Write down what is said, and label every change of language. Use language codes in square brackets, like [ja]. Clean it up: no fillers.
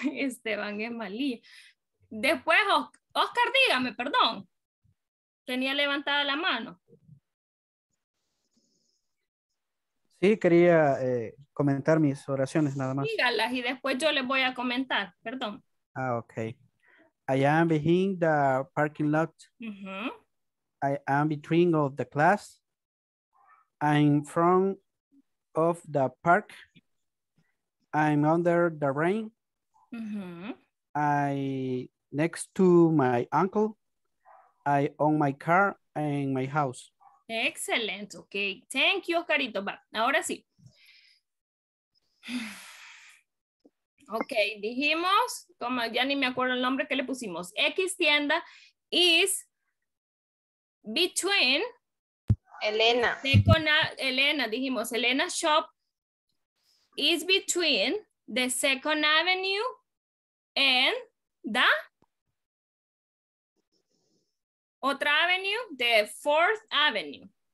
[es] Esteban es malí. Después, Oscar, dígame, perdón. Tenía levantada la mano. Sí, quería comentar mis oraciones nada más. Dígalas y después yo les voy a comentar, perdón. [en] Ah, okay. I am behind the parking lot. Mm-hmm. I am between of the class. I'm front of the park. I'm under the rain. Mm-hmm. I next to my uncle. I own my car and my house. Excellent. Okay. Thank you, Carito. [es] Va. Ahora sí. Ok, dijimos, como ya ni me acuerdo el nombre que le pusimos, X tienda [en] is between [es] Elena. [en] Elena, [es] dijimos, [en] Elena shop is between the Second Avenue and the [es] otra [en] avenue, the Fourth Avenue.